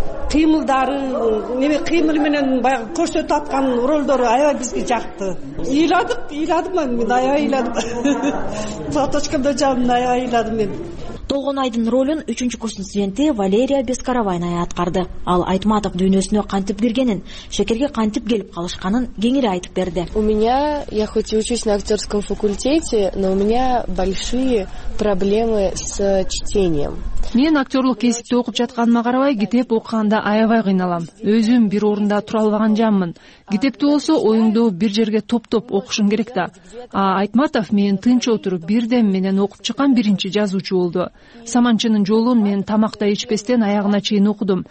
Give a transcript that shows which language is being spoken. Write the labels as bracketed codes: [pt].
[ky] Кыймылдары, эме кыймыл менен баягы көрсөтүп аткан ролдору аябай бизге жакты. Ыйладык, ыйладым мен, аябай ыйладым. Фоточкамда жалын аябай ыйладым мен. Толгонайдын ролун 3-чү курстун студенти Валерия Бескарованая аткарды. Ал Айтматов дүйнөсүнө кантип киргенин, Шекерге кантип келип калышканын кеңири айтып берди. [ru] У меня, я хоть и учусь на актерском факультете, но у меня большие проблемы с чтением. [ky] Мен актерлук кесипти окуп жатканыма карабай, китеп окуганда аябай кыйналам. Өзүм бир орунда тура албаган жанмын. Китепти болсо оюңду бир жерге топтоп окушуң керек да. А Айтматов мен тынч отуруп бирдем менен окуп чыккан биринчи жазуучу болду. Саманчынын жолун мен тамакта ичпестен аягына чейин окудум.